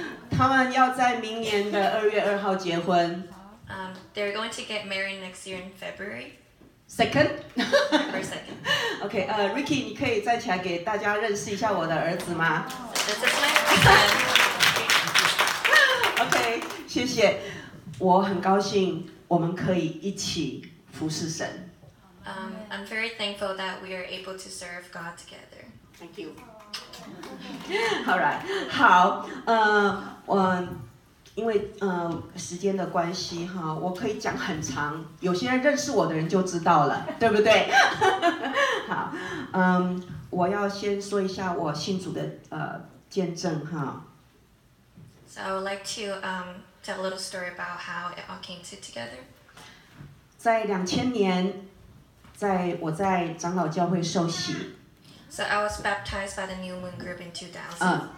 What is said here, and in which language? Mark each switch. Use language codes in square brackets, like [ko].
[zh] 他们要在明年的二月二号结婚。 [en] They're going to get married next year in February. Second? Second. [zh] Okay, Ricky, 你可以站起来给大家认识一下我的儿子吗 [en] This is my son. [zh] Okay, 谢谢。我很高兴我们可以一起服侍神。 [en] I'm very thankful that we are able to serve God together. Thank you. All right. [zh] 好，我因为时间的关系哈，我可以讲很长，有些人认识我的人就知道了，对不对？好，我要先说一下我信主的见证哈。 [en] So I would like to tell a little story about how it all came together. [zh] 在2000年，我在长老教会受洗。 [en] So I was baptized by the New Moon Group in 2000.